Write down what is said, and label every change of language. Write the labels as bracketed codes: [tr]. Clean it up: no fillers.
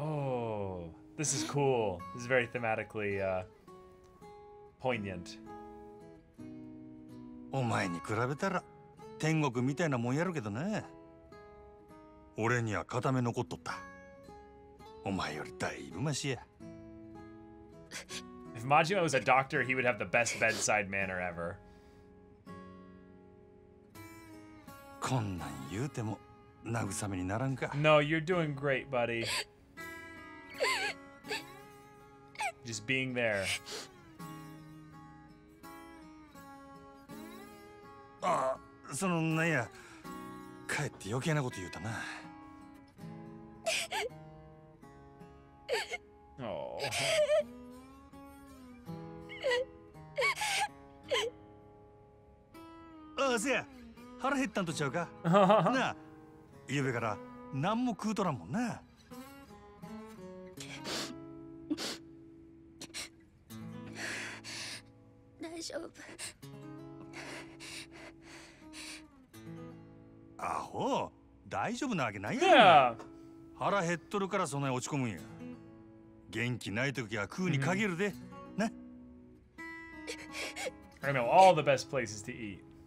[en] Oh. This is cool. This is very thematically, poignant. [ja] お前に比べたら天国みたいなもんやるけどね。俺には片目残っとった。お前よりだいぶマシや。 [en] If Majima was a doctor, he would have the best bedside manner ever. [ja] こんなん言うても慰めにならんか。 [en] No, you're doing great, buddy. just being there. [ja] その女や帰って余計なこと言うたな。おお。あ、せや。腹減ったんとちゃうか。なあ。夕べから何も食うとらんもんな。大丈夫。アホ、大丈夫なわけないやん。腹減っとるからそんなに落ち込むんや。元気ないときは食うに限るで。ね。 [en] I know all the best places to eat.